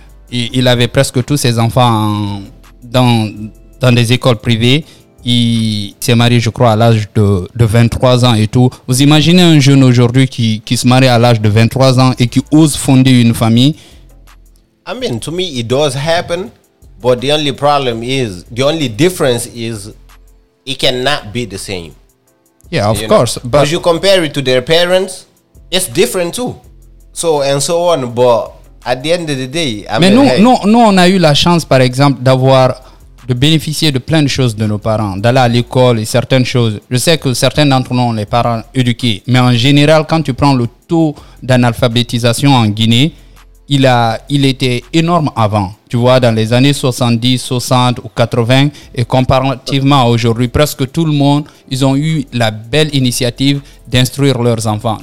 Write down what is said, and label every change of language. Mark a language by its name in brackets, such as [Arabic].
[French] Il avait presque tous ses enfants dans des écoles privées. Il s'est marié, je crois, à l'âge de 23 ans et tout. Vous imaginez un jeune aujourd'hui qui se marie à l'âge de 23 ans et qui ose fonder une famille? [English] I mean, to me, it does happen, but the only difference is, it cannot be the same. Yeah, of course. But because you compare it to their parents, it's different too. So and so on. But at the end of the day, [French] on a eu la chance, par exemple, d'avoir de bénéficier de plein de choses de nos parents, d'aller à l'école et certaines choses. Je sais que certains d'entre nous ont les parents éduqués, mais en général, quand tu prends le taux d'analphabétisation en Guinée, il était énorme avant, tu vois, dans les années 70, 60 ou 80, et comparativement à aujourd'hui, presque tout le monde, ils ont eu la belle initiative d'instruire leurs enfants.